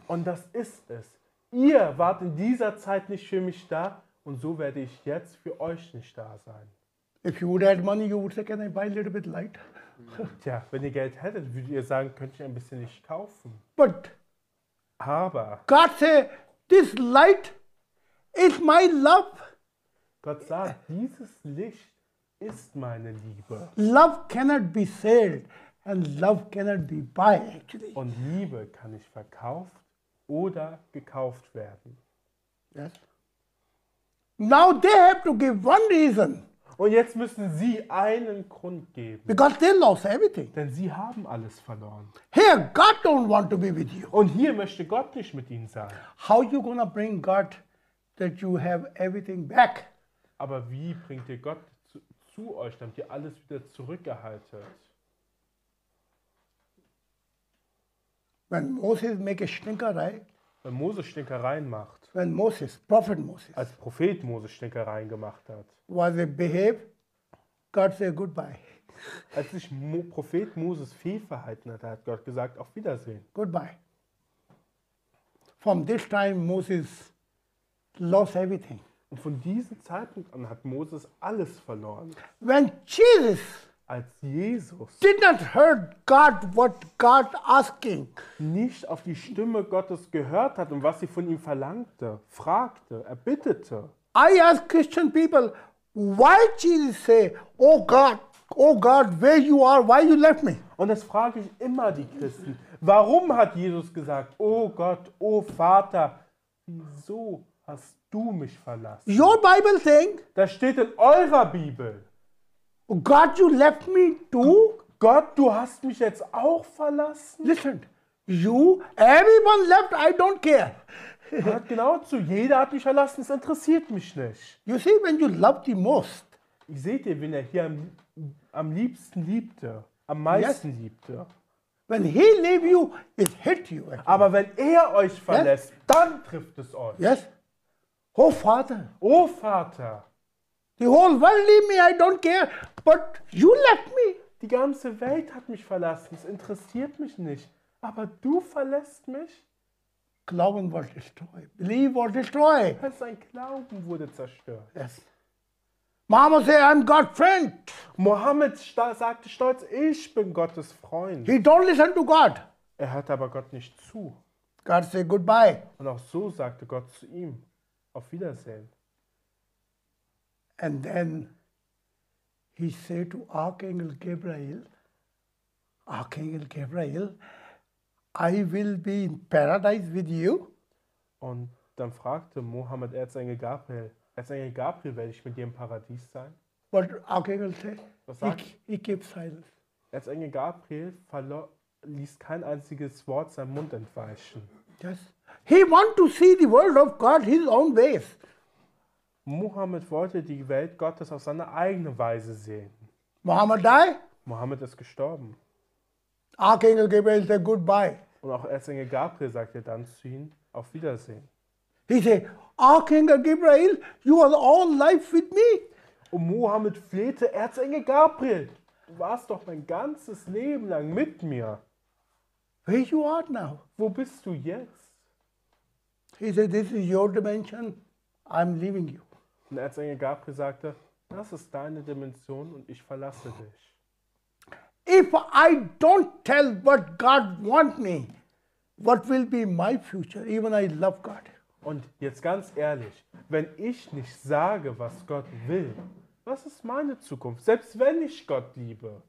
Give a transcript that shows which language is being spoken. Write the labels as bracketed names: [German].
[German] Und das ist es. Ihr wart in dieser Zeit nicht für mich da und so werde ich jetzt für euch nicht da sein. [English] If you would have money, you would say, can I buy a little bit light? [German] Tja, wenn ihr Geld hättet, würdet ihr sagen, könnt ihr ein bisschen Licht kaufen. [English] But [German] aber [English] God say, this light is my love. [German] Gott sagt, dieses Licht ist meine Liebe. [English] Love cannot be sold. And love cannot be buy, actually. [German] Und Liebe kann nicht verkauft oder gekauft werden. [English] Yes. Now they have to give one reason. [German] Und jetzt müssen sie einen Grund geben. [English] Because they lost everything. [German] Denn sie haben alles verloren. [English] Here, God don't want to be with you. [German] Und hier möchte Gott nicht mit ihnen sein. [English] How you gonna bring God that you have everything back? [German] Aber wie bringt ihr Gott zu euch, damit ihr alles wieder zurückgehalten? [English] When Moses make a stinkerei, [German] wenn Moses Stinkereien macht, [English] when Moses, Prophet Moses, [German] als Prophet Moses Stinkereien gemacht hat, [English] while they behave, God say goodbye. [German] Als sich Prophet Moses fehlverhalten hat, hat Gott gesagt, auf Wiedersehen. [English] Goodbye. From this time Moses lost everything. [German] Und von diesem Zeitpunkt an hat Moses alles verloren. [English] When Jesus, [German] als Jesus [English] did not heard God what God asking, [German] nicht auf die Stimme Gottes gehört hat und was sie von ihm verlangte, fragte, erbittete. [English] I ask Christian people, why Jesus say, oh God, where you are, why you left me? [German] Und das frage ich immer die Christen. Warum hat Jesus gesagt, oh Gott, oh Vater, wieso hast du mich verlassen? [English] Your Bible saying, [German] das steht in eurer Bibel. [English] God, you left me too? [German] Gott, du hast mich jetzt auch verlassen? [English] Listen, you, everyone left, I don't care. [German] Hört genau zu, jeder hat mich verlassen, es interessiert mich nicht. [English] You see, when you love the most. [German] Ich sehe dir, wenn er hier am liebsten liebte, am meisten yes. liebte. [English] When he leave you, it hit you. Actually. [German] Aber wenn er euch verlässt, yes? dann trifft es euch. [English] Yes. Oh, Vater. [German] Oh, Vater. [English] The whole world leave me, I don't care, but you left me. [German] Die ganze Welt hat mich verlassen, es interessiert mich nicht, aber du verlässt mich? Glauben wurde zerstört. Believe wurde zerstört. Sein Glauben wurde zerstört. [English] Yes. Mama say, I'm God's friend. [German] Mohammed sagte stolz, ich bin Gottes Freund. [English] He don't listen to God. [German] Er hört aber Gott nicht zu. [English] God say goodbye. [German] Und auch so sagte Gott zu ihm, auf Wiedersehen. [English] And then he said to Archangel Gabriel, I will be in paradise with you. [German] Und dann fragte Mohammed Erzengel Gabriel, werde ich mit dir im Paradies sein? [English] What Archangel said? [German] Was sagt? [English] He kept silent. [German] Erzengel Gabriel ließ kein einziges Wort seinem Mund entweichen. [English] Yes. He want to see the world of God his own ways. [German] Mohammed wollte die Welt Gottes auf seine eigene Weise sehen. [English] Mohammed died? [German] Mohammed ist gestorben. [English] Archangel Gabriel said goodbye. [German] Und auch Erzengel Gabriel sagte dann zu ihm, auf Wiedersehen. [English] He said, Archangel Gabriel, you are all life with me. [German] Und Mohammed flehte, Erzengel Gabriel, du warst doch mein ganzes Leben lang mit mir. [English] Where you are now? [German] Wo bist du jetzt? [English] He said, this is your dimension. I'm leaving you. [German] Und Erzengel Gabriel sagte, das ist deine Dimension und ich verlasse dich. [English] If I don't tell what God want me, what will be my future, even I love God. [German] Und jetzt ganz ehrlich, wenn ich nicht sage, was Gott will, was ist meine Zukunft, selbst wenn ich Gott liebe?